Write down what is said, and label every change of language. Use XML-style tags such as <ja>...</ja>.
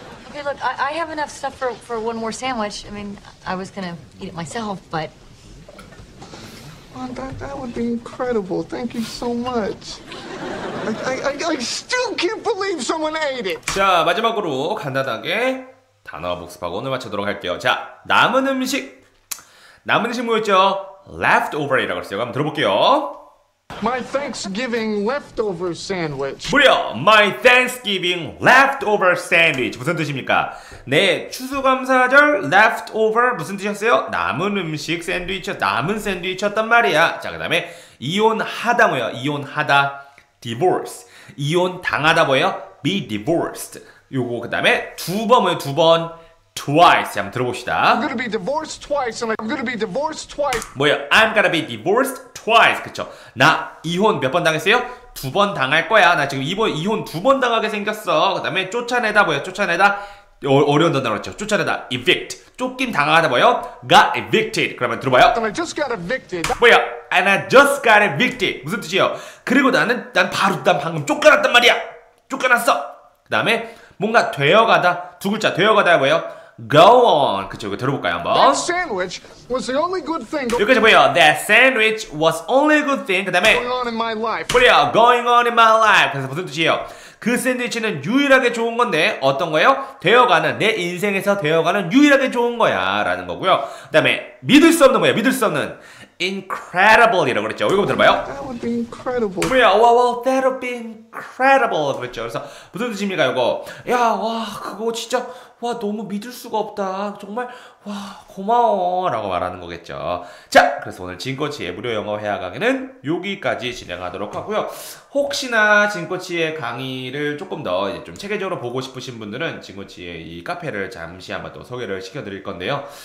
<en>Okay, look, I have enough stuff for one more sandwich. I mean, I was gonna eat it myself, but... That would be incredible. Thank you so much. I still can't believe someone ate it.</en> <ko>자, 마지막으로 간단하게 단어 복습하고 오늘 마치도록 할게요. 자, 남은 음식 뭐였죠? Leftover이라고 했어요. 한번 들어볼게요.</ko> <en>My Thanksgiving leftover sandwich.</en> <ko>무려</ko> <en>My Thanksgiving leftover sandwich</en> <ko>무슨 뜻입니까? 내 추수감사절 leftover 무슨 뜻이었어요? 남은 음식 샌드위치, 남은 샌드위치였단 말이야. 자, 그 다음에 이혼하다 뭐예요? 이혼하다 divorce. 이혼 당하다 뭐예요?</ko> <en>be divorced.</en> <ko>요거 그 다음에 두 번 뭐예요? 두 번 twice. 한번 들어봅시다.</ko> <en>I'm gonna be divorced twice. And I'm gonna be divorced twice.</en> <ko>뭐예요?</ko> <en>I'm gonna be divorced twice.</en> <ko>그쵸? 나 이혼 몇 번 당했어요? 두 번 당할 거야. 나 지금 이번 이혼 두 번 당하게 생겼어. 그 다음에 쫓아내다 뭐예요? 쫓아내다 어려운 단어 그렇죠? 쫓아내다 evict. 쫓긴 당하다 뭐예요?</ko> <en>got evicted.</en> <ko>그러면 들어봐요.</ko> <en>And I just got evicted.</en> <ko>뭐예요?</ko> <en>And I just got evicted.</en> <ko>무슨 뜻이에요? 그리고 난 방금 쫓겨났단 말이야. 쫓겨났어. 그 다음에 뭔가 되어가다 두 글자 되어가다 뭐예요?</ko> <en>Go on.</en> <ko>그쵸, 이거 들어볼까요 한번?</ko> <en>That sandwich was the only good thing.</en> <ko>여기까지 보여.</ko> <en>That sandwich was only good thing.</en> <ko>그 다음에</ko> <en>going on in my life.</en> <ko>보여.</ko> <en>Going on in my life.</en> <ko>그래서 무슨 뜻이에요? 그 샌드위치는 유일하게 좋은 건데 어떤 거예요? 되어가는 내 인생에서 되어가는 유일하게 좋은 거야 라는 거고요. 그 다음에 믿을 수 없는 뭐예요? 믿을 수 없는 incredible 이라고 그랬죠. 이거 한번 들어봐요.</ko> <en>That would be incredible.</en> <ko>그래요.</ko> <en>Well, that would be incredible.</en> <ko>그랬죠. 그래서 무슨 뜻입니까 이거? 야, 와, 그거 진짜 와, 너무 믿을 수가 없다. 정말 와, 고마워 라고 말하는 거겠죠. 자, 그래서 오늘 진코치의 무료 영어 회화 강의는 여기까지 진행하도록 하고요. 혹시나 진코치의 강의를 조금 더 이제 좀 체계적으로 보고 싶으신 분들은 진코치의 이 카페를 잠시 한번 또 소개를 시켜드릴 건데요.</ko>